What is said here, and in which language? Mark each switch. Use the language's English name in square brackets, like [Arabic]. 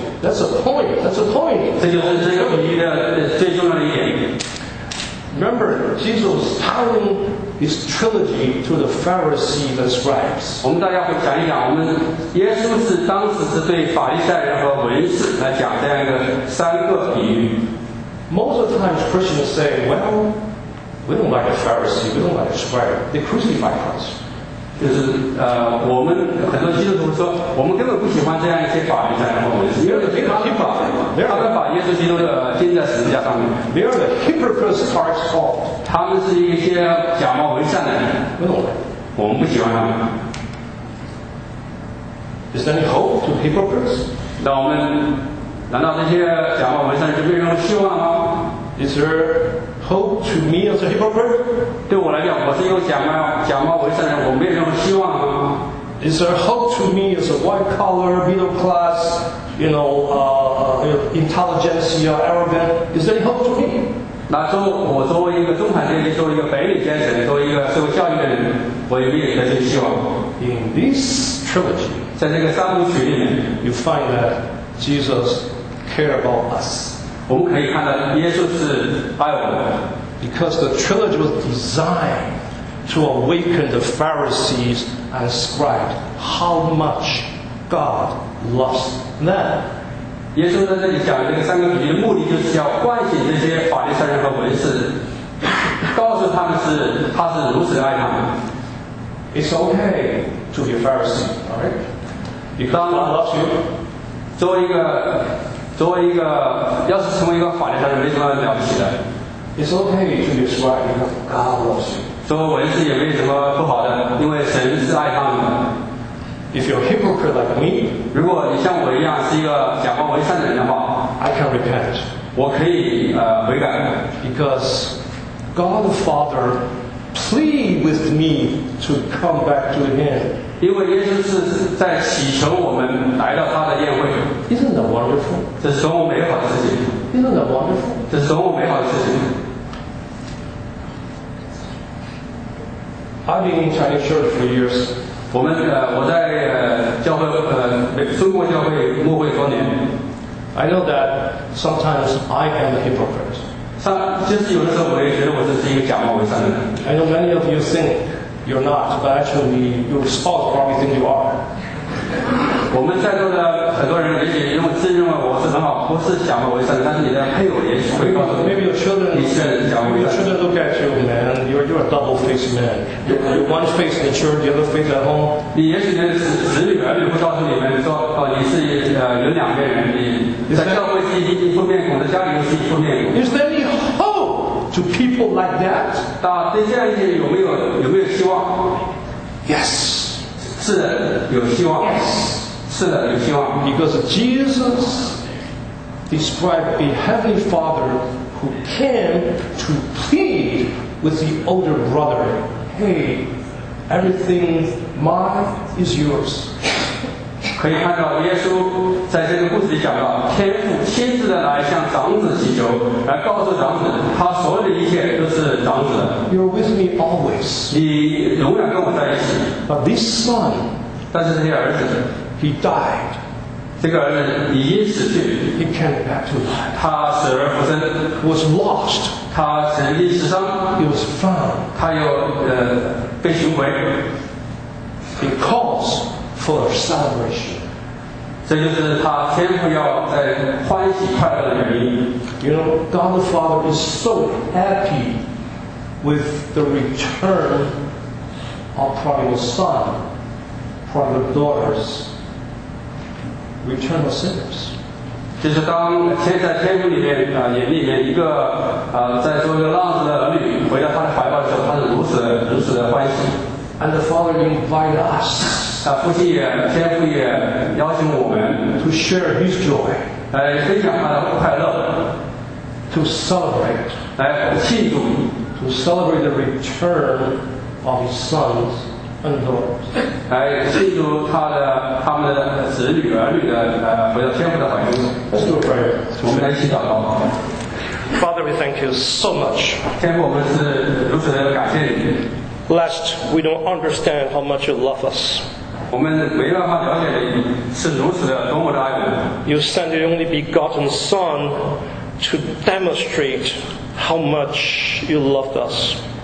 [Chinese] 这就是这个比喻的最重要的一点。 [English] Remember, Jesus telling his trilogy to the Pharisees and scribes. [Chinese] 我们大家会讲一讲，我们耶稣是当时是对法利赛人和文士来讲这样一个三个比喻。 [English] Most of the times Christians say, well, we don't like the Pharisees, we don't like the scribes. They crucify us. [Chinese] 就是我们很多基督徒说，我们根本不喜欢这样一些法律在我们，因为他们把耶稣基督的钉在十字架上面。 [English] They are the hypocrites part of. [Chinese] 他们是一些假冒伪善的人。我们不喜欢他们。 [English] Is there any hope to hypocrites? [Chinese] 那我们难道这些假冒伪善就没有希望吗？ [English] Is there hope to me as a hypocrite? [Chinese] 对我来讲，我是一个假冒伪善人，我没有任何希望。 [English] Is there hope to me as a white collar, middle class, you know, intelligentsia, arrogant? Is there any hope to me? [Chinese] 那我作为一个中产阶级，作为一个白领阶层，作为一个受教育的人，我有没有任何希望？ [English] In this trilogy, [Chinese] 在这个三部曲里面， [English] you find that Jesus cares about us. [Chinese] 我们可以看到耶稣是爱我们的。 [English] Because the trilogy was designed to awaken the Pharisees and scribes how much God loves them. [Chinese] 耶稣在这里讲这个三个比喻的目的就是要唤醒这些法利赛人和文士，告诉他们是他是如此爱他们。 [English] It's okay to be a Pharisee, alright? Because God loves you. [Chinese] 作为一个，要是成为一个法利赛人，没什么了不起的。 [English] It's okay to be smart because God loves you. [Chinese] 作为文士也没什么不好的，因为神是爱他们的。 [English] If you're a hypocrite like me, [Chinese] 如果你像我一样是一个假冒伪善的人的话 [English] ，I can repent. [Chinese] 我可以悔改 [English] ，because God the Father plead with me to come back to Him. [Chinese] 因为耶稣是在祈求我们来到他的宴会。 [English] Isn't that wonderful? [Chinese] 这是多么美好的事情。 [English] Isn't that wonderful? [Chinese] 这是多么美好的事情。 [English] I've been in Chinese church for years. [Chinese] 我在教会中国教会牧会多年。 [English] I know that sometimes I am a hypocrite. [Chinese] 就是有的时候我也觉得我这是一个假冒伪善的人。 [English] I know many of you think. You're not, but actually, your spouse probably thinks you are. [Chinese] 我们在座的很多人也许因为自认为我是很好，不是假冒伪善，但是你的配偶也许会告诉你。 [English] Maybe your children, look at you, man. You're a double-faced man. You're one face in the church, the other face at home. [Chinese] 你也许你的子女儿女会告诉你们说，哦，你是有两面人，你在教会是一副面孔，在家里又是一副面孔。 [English] Is that me? To people like that, [Chinese] 那对这样一些有没有希望 [English] ？Yes, [Chinese] 是的，有希望。 [English] Yes, [Chinese] 是的，有希望。 [English] Because Jesus described a heavenly Father who came to plead with the older brother. Hey, everything mine is yours. [Chinese] 可以看到耶稣在这个故事里讲到，天父亲自的来向长子祈求，来告诉长子他所有的一切都是长子的。 [English] You're with me always. [Chinese] 你永远跟我在一起。 [English] But this son, [Chinese] 但是这些儿子， [English] he died. [Chinese] 这个儿子已经死去。 [English] He came back to life. [Chinese] 他死而复生。 [English] Was lost. [Chinese] 他曾经失丧。 [English] He was found. [Chinese] 他又被寻回。 [English] He calls for celebration. [Chinese] 这就是他天父要欢喜快乐的原因。 [English] You know, God the Father is so happy with the return of prodigal son, prodigal daughters, return of sinners. [Chinese] 就是当天在天父里面眼里面一个在做一个浪子的儿女回到他的怀抱的时候，他是如此的欢喜。 [English] And the Father invited us. [Chinese] 父亲也，天父也邀请我们 [English] to share His joy. [Chinese] 来分享他的快乐 [English] to celebrate. [Chinese] 来庆祝 [English] to celebrate the return of His sons and daughters. [Chinese] 来庆祝他们的子女儿女的回到天父的怀中。 [English] Let's do a prayer. [Chinese] 我们来一起祷告。 [English] Father, we thank you so much. [Chinese] 天父，我们是如此的感谢你。 [English] Lest we don't understand how much you love us. You sent your only begotten Son to demonstrate how much you loved us.